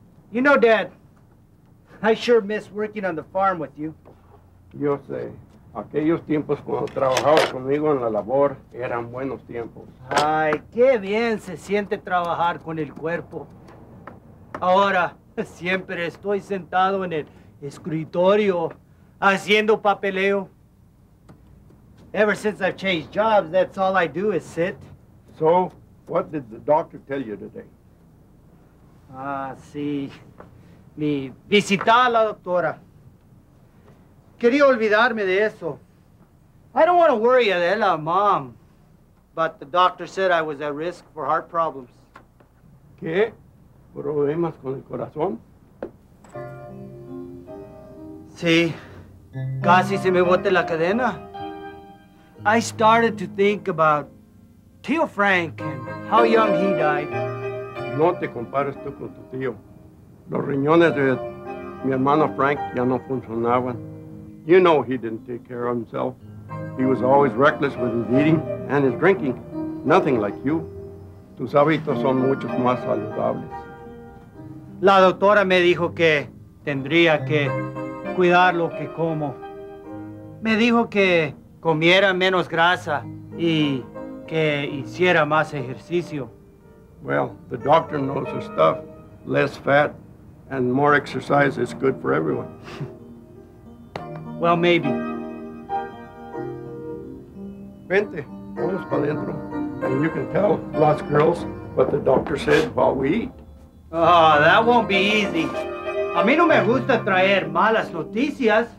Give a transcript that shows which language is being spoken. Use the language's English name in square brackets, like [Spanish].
[English] You know, Dad, I sure miss working on the farm with you. [Spanish] Yo sé. Aquellos tiempos cuando trabajabas conmigo en la labor eran buenos tiempos. Ay, qué bien se siente trabajar con el cuerpo. Ahora, siempre estoy sentado en el escritorio haciendo papeleo. [English] Ever since I've changed jobs, that's all I do is sit. So, what did the doctor tell you today? [Spanish] Ah, sí. Mi visita a la doctora. Quería olvidarme de eso. [English] I don't want to worry Adela, Mom. But the doctor said I was at risk for heart problems. [Spanish] ¿Qué? ¿Problemas con el corazón? Sí. Casi se me bote la cadena. [English] I started to think about Tío Frank and how young he died. [Spanish] No te compares tú con tu tío. Los riñones de mi hermano Frank ya no funcionaban. [English] You know he didn't take care of himself. He was always reckless with his eating and his drinking. Nothing like you. [Spanish] Tus hábitos son mucho más saludables. La doctora me dijo que tendría que cuidar lo que como. Me dijo que comiera menos grasa y que hiciera más ejercicio. [English] Well, the doctor knows her stuff. Less fat and more exercise is good for everyone. Well, maybe. [Spanish] Vente, vamos para adentro. [English] And you can tell lots of girls what the doctor said while we eat. Oh, that won't be easy. [Spanish] A mí no me gusta traer malas noticias.